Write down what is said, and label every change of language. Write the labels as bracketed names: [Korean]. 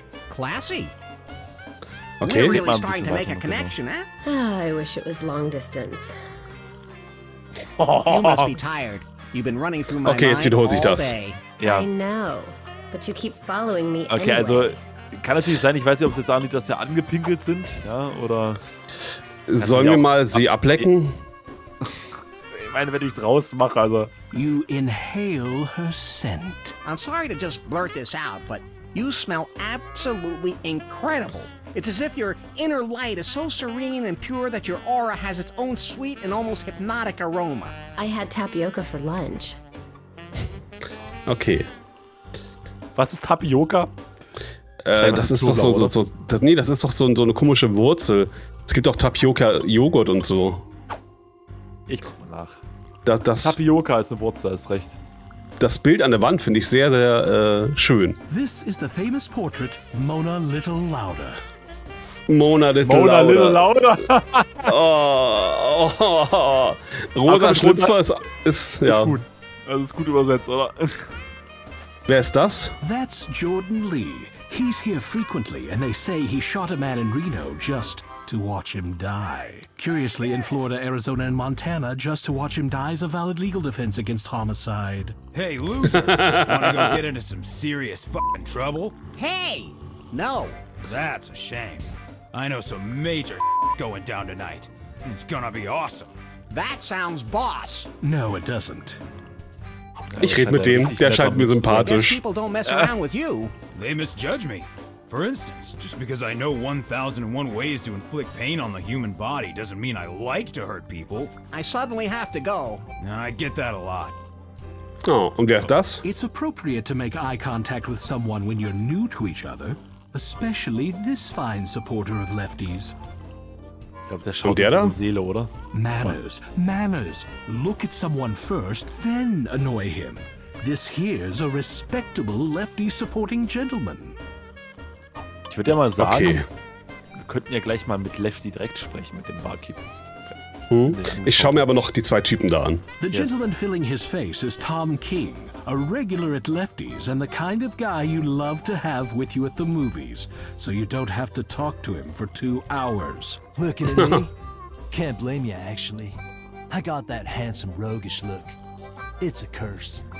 [English] Classy. Okay, we're really starting to make a connection, eh? I wish it was long distance. You must be tired. You've been running through my mind. [German] Okay, jetzt wiederholt sich das. Ja. [English] I know, but you keep following me anyway. [German] Okay, also kann natürlich sein, ich weiß nicht, ob es jetzt anliegt, dass wir angepinkelt sind, ja, oder sollen wir mal sie ablecken? Ich meine, wenn ich es rausmache, also. [English] You inhale her scent. I'm sorry to just blurt this out, but you smell absolutely incredible. It's as if your inner light is so serene and pure that your aura has its own sweet and almost hypnotic aroma. I had tapioca for lunch. [German] Okay. Was ist Tapioca? Das ist doch so eine komische Wurzel. Es gibt auch Tapioca-Joghurt und so. Ich guck mal nach. Das Tapioca ist eine Wurzel, ist recht. Das Bild an der Wand finde ich sehr, sehr schön. [English] This is the famous portrait Mona Little Louder. Mona Little Louder. [German] Rosa Schlüpfer ist ja. Ist gut. Das ist gut übersetzt, oder? Wer ist das? [English] That's Jordan Lee. He's here frequently and they say he shot a man in Reno just to watch him die. Curiously, in Florida, Arizona and Montana, just to watch him die is a valid legal defense against homicide. Hey, loser! Wanna go get into some serious fucking trouble? Hey! No! That's a shame. I know some major shit going down tonight. It's gonna be awesome. That sounds boss. No, it doesn't. [German] Ich rede mit dem, der scheint mir sympathisch. [English] People don't mess around with you. They misjudge me. For instance, just because I know 1001 ways to inflict pain on the human body doesn't mean I like to hurt people. I suddenly have to go. I get that a lot. [German] Oh, und wer ist das? [English] It's appropriate to make eye contact with someone when you're new to each other. Especially this fine supporter of lefties. [German] Ich glaube, der schaut und der da? In die Seele, oder? [English] Manners. Look at someone first, then annoy him. This here's a respectable lefty supporting gentleman. [German] Ich würde ja mal sagen, okay. Wir könnten ja gleich mal mit Lefty direkt sprechen, mit dem Barkeeper. Ich schaue mir aber noch die zwei Typen da an. [English] The gentleman filling his face is Tom King, a regular at Lefty's and the kind of guy you love to have with you at the movies, so you don't have to talk to him for 2 hours. Looking at me? Can't blame you, actually. I got that handsome roguish look. It's a curse.